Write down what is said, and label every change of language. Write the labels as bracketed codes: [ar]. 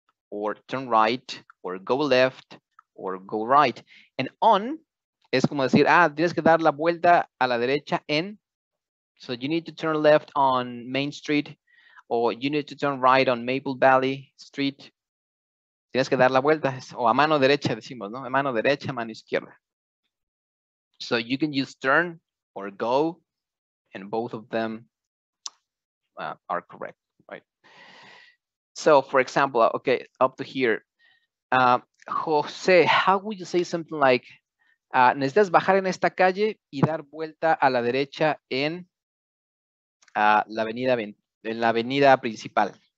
[en] Or turn right, or go left, or go right. And on [es] es como decir, tienes que dar la vuelta a la derecha en. [en] So you need to turn left on Main Street, or you need to turn right on Maple Valley Street. [es] Tienes que dar la vuelta, o a mano derecha decimos, ¿no? A mano derecha, mano izquierda. [en] So you can use turn or go, and both of them are correct. So, for example, okay, up to here. Jose, how would you say something like, [es] necesitas bajar en esta calle y dar vuelta a la derecha en la avenida principal?